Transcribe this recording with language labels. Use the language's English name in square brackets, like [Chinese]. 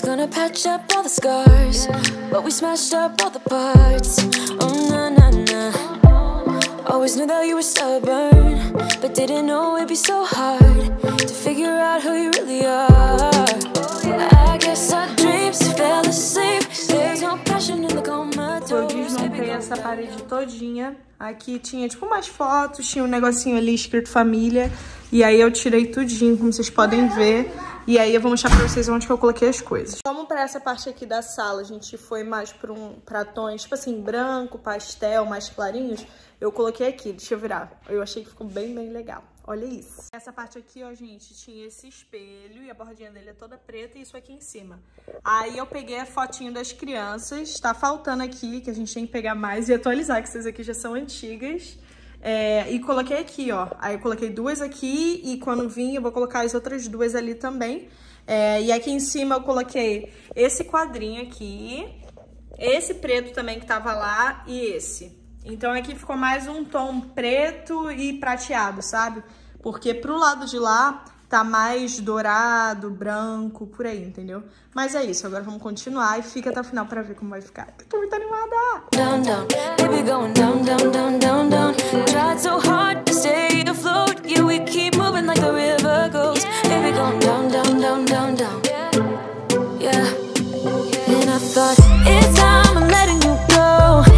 [English] Patch up all the scars, yeah. But we smashed up all the parts. Oh, na, na, na. Always knew that you were stubborn, but didn't know it'd be so hard to figure out who you really are. Oh, yeah. I guess our dreams fell asleep. There's no passion in the comatose. [Portuguese] Eu desmontei essa parede todinha. Aqui tinha tipo umas fotos, tinha um negocinho ali escrito família. E aí eu tirei tudinho, como vocês podem ver. E aí eu vou mostrar pra vocês onde que eu coloquei as coisas. Vamos pra essa parte aqui da sala. A gente foi mais pra tons, tipo assim, branco, pastel, mais clarinhos. Eu coloquei aqui, deixa eu virar. Eu achei que ficou bem, bem legal. Olha isso. Essa parte aqui, ó, gente, tinha esse espelho e a bordinha dele é toda preta e isso aqui em cima. Aí eu peguei a fotinho das crianças. Tá faltando aqui, que a gente tem que pegar mais e atualizar, que essas aqui já são antigas. É, e coloquei aqui, ó. Aí eu coloquei duas aqui e quando vim eu vou colocar as outras duas ali também. É, e aqui em cima eu coloquei esse quadrinho aqui, esse preto também que tava lá e esse. Então aqui ficou mais um tom preto e prateado, sabe? Porque pro lado de lá tá mais dourado, branco, por aí, entendeu? Mas é isso, agora vamos continuar e fica até o final pra ver como vai ficar. Eu tô muito animada! [English] Down, down, baby going down, down, down, down, down. Tried so hard to stay afloat. Yeah, we keep moving like the river goes. Baby going down, down, down, down, down. Yeah. And I thought, it's time I'm letting you go.